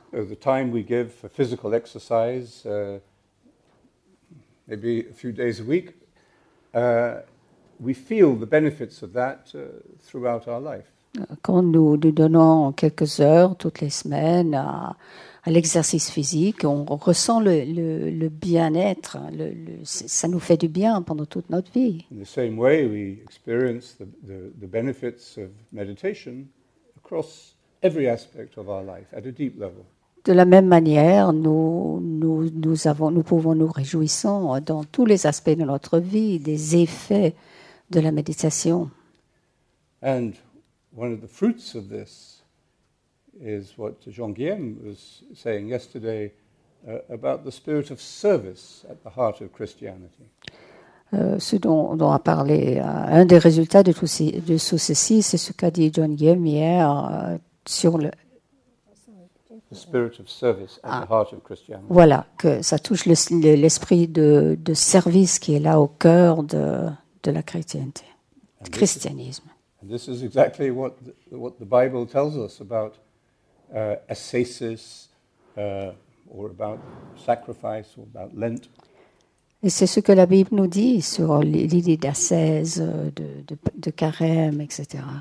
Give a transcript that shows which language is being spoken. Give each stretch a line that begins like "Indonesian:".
English: The time we give for physical exercise, maybe a few days a week, we feel the benefits of that throughout our life.
French: Quand nous donnons quelques heures toutes les semaines à l'exercice physique, on ressent le bien-être, ça nous fait du bien pendant toute notre vie.
English: In the same way, we experience the benefits of meditation across every aspect of our life at a deep level.
French: De la même manière, nous pouvons nous réjouir dans tous les aspects de notre vie des effets de la méditation.
English: And one of the fruits of this is what Jean Guillaume was saying yesterday about the spirit of service at the heart of Christianity.
French: Ce dont a parlé, un des résultats de tout ceci, c'est ce qu'a dit Jean Guillaume hier sur
English: the spirit of service at the heart of Christianity.
French: Voilà, que ça touche l'esprit de service qui est là au cœur de la chrétienté, du christianisme.
English: And this is exactly what the Bible tells us about ascesis, or about sacrifice, or about Lent.
French: Et c'est ce que la Bible nous dit sur l'idée d'ascèse, de carême, etc.